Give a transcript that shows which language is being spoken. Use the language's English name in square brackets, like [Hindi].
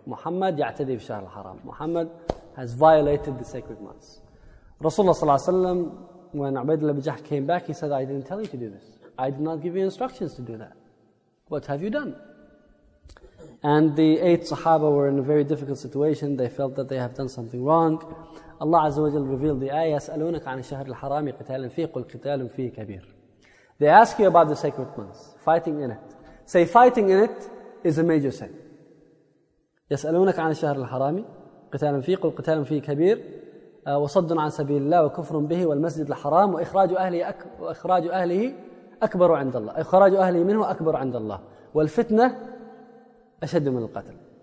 [Arabic] Muhammad ya'tadi fi shahr al-Haram. [English] Muhammad has violated the sacred months. Rasulullah sallallahu alayhi wa sallam, when Ubaydullah bin Jahsh came back, he said, I didn't tell you to do this. I did not give you instructions to do that. What have you done? And the 8 Sahaba were in a very difficult situation. They felt that they have done something wrong. Allah Azza wa Jalla revealed the ayah, [Arabic] يَسْأَلُونَكَ عَنِ الشَّهْرِ الْحَرَامِ قِتَالٍ فِيهِ قُلْ قِتَالٍ فِيهِ كَبِيرٍ. [English] They ask you about the sacred months, fighting in it. Say, fighting in it is a major sin. [Arabic] يَسْأَلُونَكَ عَنِ الشَّهْرِ الْحَرَامِ قِتَالٍ فِيهِ قُلْ قِتَالٍ فِيهِ كَبِيرٍ وَصَدٌّ عَنْ سَبِيلِ اللَّهِ وَكُفْرٌ بِهِ وَالْمَسْجِدِ الْحَرَامِ وَإِخْرَاجُ أَهْلِهِ أَكْبَرُ عِنْدَ اللَّهِ إِخْرَاجُ أَهْلِهِ مِنْهُ أَكْبَرُ عِنْدَ اللَّهِ وَالْفِتْنَةُ أشد من القتل.